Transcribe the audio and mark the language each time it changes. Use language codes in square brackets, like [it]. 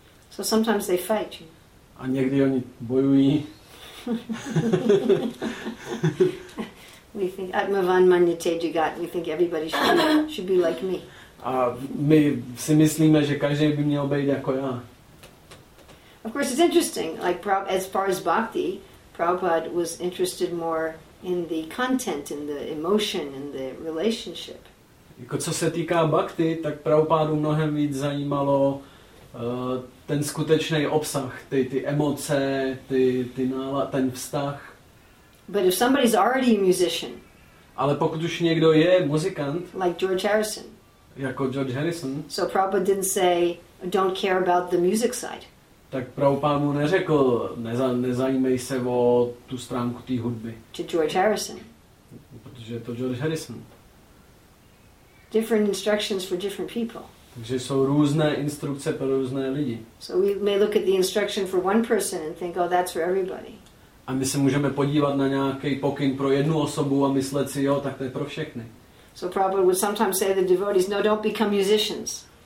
[en] So sometimes they fight. [cs] A někdy oni bojují. [en] We think [sa] Atmavan Manyate Jagat. [en] We think everybody should be like me. [cs] A my si myslíme, že každý by měl být jako já. [en] Of course, it's interesting. Like as far as bhakti, Prabhupada was interested more in the content, in the emotion, in the relationship. [cs] Jako co se týká bhakti, tak Prabhupádu mnohem víc zajímalo ten skutečný obsah, ty emoce, ty nálad, ten vztah. [en] But if somebody's already a musician. [cs] Ale pokud už někdo je muzikant. [en] Like George Harrison. [cs] Jako George Harrison. [en] So Prabhupada didn't say don't care about the music side. [cs] Tak Prabhupada mu neřekl nezajímej se o tu stránku té hudby. [en] To George Harrison. [cs] Protože je to George Harrison. [en] Different instructions for different people. [cs] Takže jsou různé instrukce pro různé lidi. [en] So we may look at the instruction for one person and think oh that's for everybody. [cs] A my se můžeme podívat na nějaký pokyn pro jednu osobu a myslet si, jo, tak to je pro všechny. [en] So Prabhupada would sometimes say the devotees, no, don't become musicians.